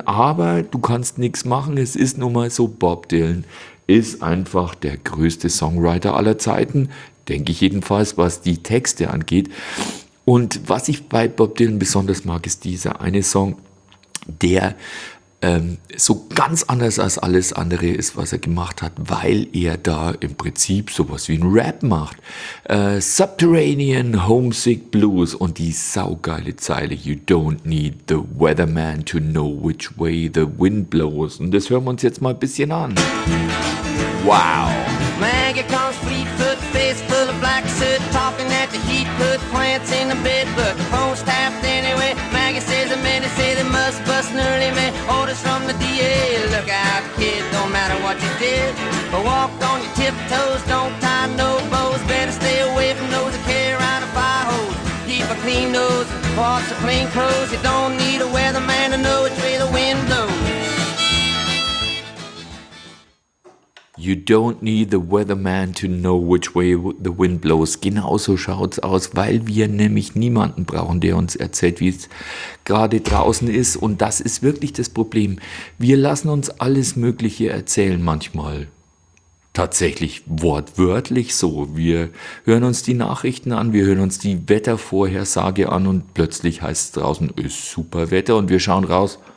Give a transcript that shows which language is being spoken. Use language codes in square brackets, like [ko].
[de] Aber du kannst nichts machen, es ist nun mal so, Bob Dylan ist einfach der größte Songwriter aller Zeiten, denke ich jedenfalls, was die Texte angeht. Und was ich bei Bob Dylan besonders mag, ist dieser eine Song, der so ganz anders als alles andere ist, was er gemacht hat, weil er da im Prinzip sowas wie ein Rap macht. Subterranean Homesick Blues und die saugeile Zeile [en] You don't need the weatherman to know which way the wind blows. [de] Und das hören wir uns jetzt mal ein bisschen an. Wow! [en] Maggie calls Fleetfoot, face full of black soot, talking that the heat put plants in the bed, but the phone's tapped anyway. Maggie says the men say they must bust an early man. Orders from the DA, look out, kid, don't matter what you did. But walk on your tiptoes, don't tie no bows. Better stay away from those who carry around a fire hose. Keep a clean nose, wash your clean clothes. You don't need a weatherman to know which way the wind blows. You don't need the weatherman to know which way the wind blows. [de] Genauso schaut's aus, weil wir nämlich niemanden brauchen, der uns erzählt, wie es gerade draußen ist. Und das ist wirklich das Problem. Wir lassen uns alles Mögliche erzählen manchmal. Tatsächlich wortwörtlich so. Wir hören uns die Nachrichten an, wir hören uns die Wettervorhersage an und plötzlich heißt es draußen, ist super Wetter und wir schauen raus.